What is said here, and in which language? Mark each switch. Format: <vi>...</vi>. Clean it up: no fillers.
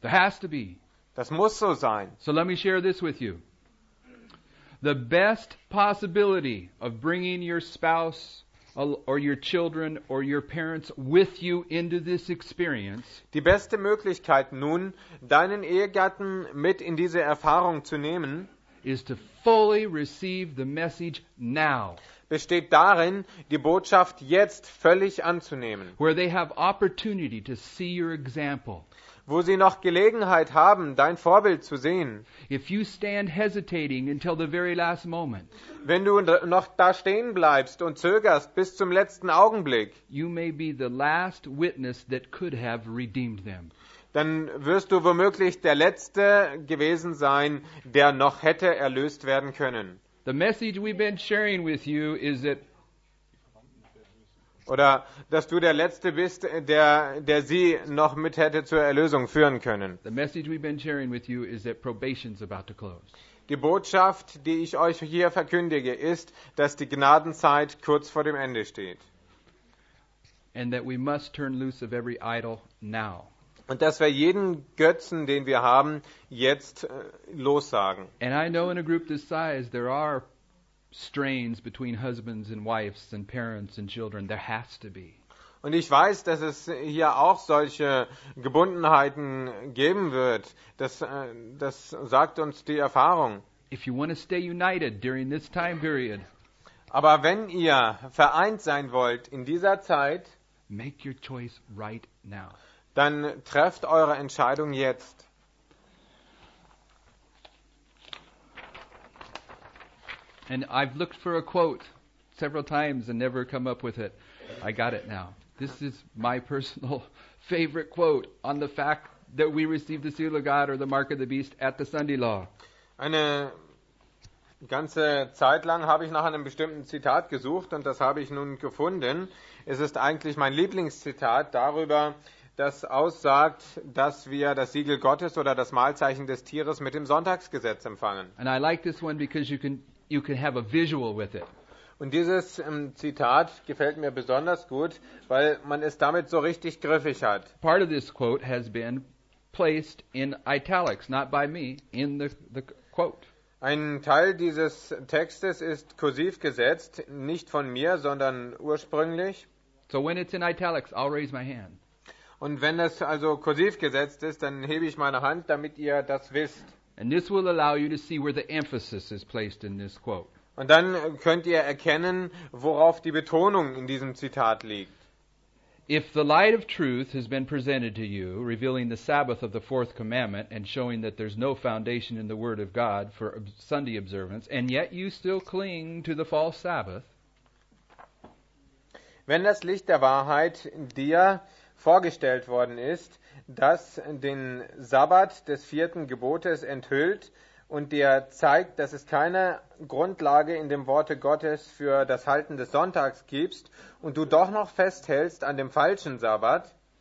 <en>There has to be.</en> <de>Das muss so sein.</de> <en>So let me share this with you. The best possibility of bringing your spouse or your children or your parents with you into this experience.</en> <de>Die beste Möglichkeit nun, deinen Ehegatten mit in diese Erfahrung zu nehmen,</de> <en>is to fully receive the message now.</en> <de>Besteht darin, die Botschaft jetzt völlig anzunehmen.</de> <en>Where they have opportunity to see your example.</en> <de>Wo sie noch Gelegenheit haben, dein Vorbild zu sehen.</de> <en>If you stand hesitating until the very last moment,</en> <de>wenn du noch da stehen bleibst und zögerst bis zum letzten Augenblick,</de> <en>you may be the last witness that could have redeemed them.</en> <de>Dann wirst du womöglich der Letzte gewesen sein, der noch hätte erlöst werden können.</de> <en>The message we've been sharing with you is that</en> <de>oder dass du der Letzte bist, der sie noch mit hätte zur Erlösung führen können.</de> <en>The message we've been sharing with you is that probation's about to close.</en> <de>Die Botschaft, die ich euch hier verkündige, ist, dass die Gnadenzeit kurz vor dem Ende steht.</de> <en>And that we must turn loose of every idol now.</en> <de>Und dass wir jeden Götzen, den wir haben, jetzt lossagen.</de> <en>And I know in a group this size there are strains between husbands and wives and parents and children. There has to be.</en> <de>Und ich weiß, dass es hier auch solche Gebundenheiten geben wird. Das sagt uns die Erfahrung.</de> <en>If you want to stay united during this time period,</en> <de>aber wenn ihr vereint sein wollt in dieser Zeit,</de> <en>make your choice right now.</en> <de>Dann trefft eure Entscheidung jetzt.</de> <en>And I've looked for a quote several times and never come up with it. I got it now. This is my personal favorite quote on the fact that we receive the seal of God or the mark of the beast at the Sunday law.</en> <de>Eine ganze Zeit lang habe ich nach einem bestimmten Zitat gesucht und das habe ich nun gefunden. Es ist eigentlich mein Lieblingszitat darüber, das aussagt, dass wir das Siegel Gottes oder das Mahlzeichen des Tieres mit dem Sonntagsgesetz empfangen.</de> <en>And I like this one because you can have a visual with it.</en> <de>Und dieses Zitat gefällt mir besonders gut, weil man es damit so richtig griffig hat.</de> <en>Part of this quote has been placed in italics, not by me, in the quote.</en> <de>Ein Teil dieses Textes ist kursiv gesetzt, nicht von mir, sondern ursprünglich.</de> <en>So when it's in italics, I'll raise my hand.</en> <de>Und wenn das also kursiv gesetzt ist, dann hebe ich meine Hand, damit ihr das wisst.</de> <en>And this will allow you to see where the emphasis is placed in this quote.</en> <de>Und dann könnt ihr erkennen, worauf die Betonung in diesem Zitat liegt.</de> <en>If the light of truth has been presented to you, revealing the Sabbath of the fourth commandment and showing that there's no foundation in the word of God for Sunday observance, and yet you still cling to the false Sabbath.</en> <de>Wenn das Licht der Wahrheit dir vorgestellt worden ist, das den Sabbat des vierten Gebotes enthüllt und dir zeigt, dass es keine Grundlage in dem Worte Gottes für das Halten des Sonntags gibt und du doch noch festhältst an dem falschen Sabbat,</de>